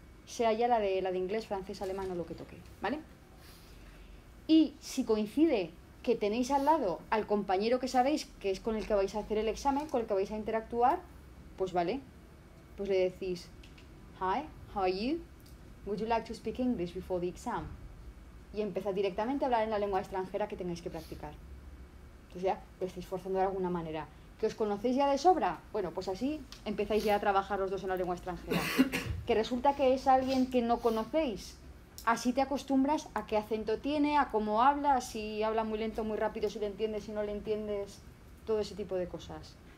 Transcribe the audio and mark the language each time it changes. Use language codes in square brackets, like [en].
[es] sea ya la de inglés, francés, alemán o lo que toque, ¿vale? Y si coincide que tenéis al lado al compañero que sabéis que es con el que vais a hacer el examen, con el que vais a interactuar, pues vale, pues le decís, [en] hi, how are you? Would you like to speak English before the exam? [es] Y empezad directamente a hablar en la lengua extranjera que tengáis que practicar. Entonces ya lo estáis forzando de alguna manera. ¿Que os conocéis ya de sobra? Bueno, pues así empezáis ya a trabajar los dos en la lengua extranjera. Que resulta que es alguien que no conocéis. Así te acostumbras a qué acento tiene, a cómo habla, si habla muy lento, muy rápido, si le entiendes, si no le entiendes, todo ese tipo de cosas.